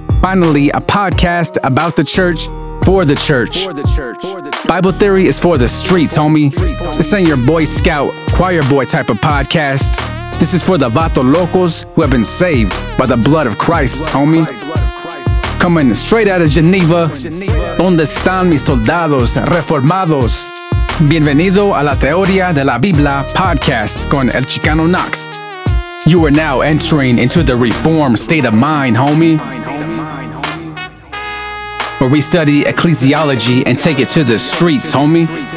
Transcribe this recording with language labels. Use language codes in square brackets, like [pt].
[en] Finally, a podcast about the church, for the church. Bible Theory is for the streets, homie. This ain't your Boy Scout, choir boy type of podcast. This is for the vato locos who have been saved by the blood of Christ, homie. Coming straight out of Geneva. [es] ¿Dónde están mis soldados reformados? Bienvenido a la Teoría de la Biblia Podcast con el Chicano Knox. [en] You are now entering into the reform state of mind, homie. Where we study ecclesiology and take it to the streets, homie.